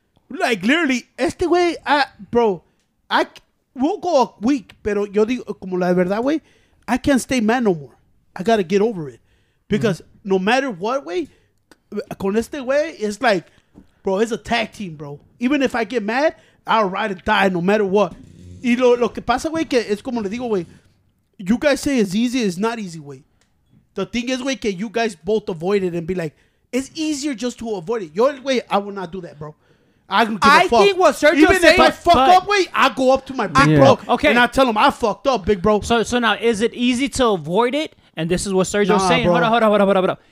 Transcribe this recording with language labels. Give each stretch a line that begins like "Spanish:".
English: Like, literally,
Spanish: este way,
English: we'll go a week,
Spanish: pero yo digo, como la verdad, güey,
English: I can't stay mad no more. I got to get over it. Because mm-hmm. no matter what way,
Spanish: con este way,
English: it's like, bro, it's a tag team, bro. Even if I get mad, I'll ride and die no matter what.
Spanish: Y lo que pasa, güey, que es como le digo, güey.
English: You guys say it's easy, it's not easy, güey. The thing is, güey, can you guys both avoid it and be like, it's easier just to avoid it. Yo, güey, I will not do that, bro. I don't give a fuck. I think what Sergio even saying, if I fuck up, güey, I go up to my big bro okay. and I tell him I fucked up, big bro. So now, is it easy to avoid it? And this is what Sergio's saying. Bro. Hold on.